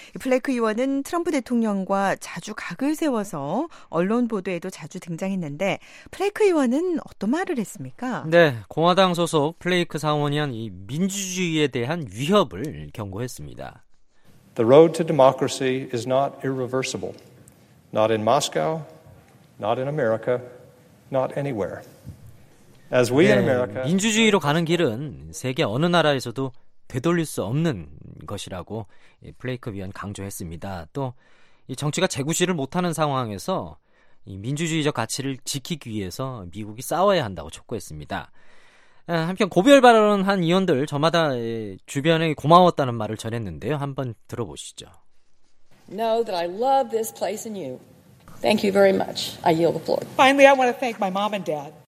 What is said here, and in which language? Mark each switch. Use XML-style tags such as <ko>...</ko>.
<ko>이 플레이크 의원은 트럼프 대통령과 자주 각을 세워서 언론 보도에도 자주 등장했는데 플레이크 의원은 어떤 말을 했습니까? 네, 공화당 소속 플레이크 상원 의원 이 민주주의에 대한 위협을 경고했습니다.</ko> <en>The road to democracy is not irreversible. Not in Moscow, not in America, not anywhere. As we in America,</en> <ko>민주주의로 가는 길은 세계 어느 나라에서도 되돌릴 수 없는 것이라고 플레이크 위원 강조했습니다. 또 이 정치가 재구시를 못하는 상황에서 이 민주주의적 가치를 지키기 위해서 미국이 싸워야 한다고 촉구했습니다. 한편 고별 발언을 한 의원들 저마다 주변에 고마웠다는 말을 전했는데요. 한번 들어보시죠.</ko> <en>Know that I love this place and you. Thank you very much. I yield the floor. Finally, I want to thank my mom and dad.</en>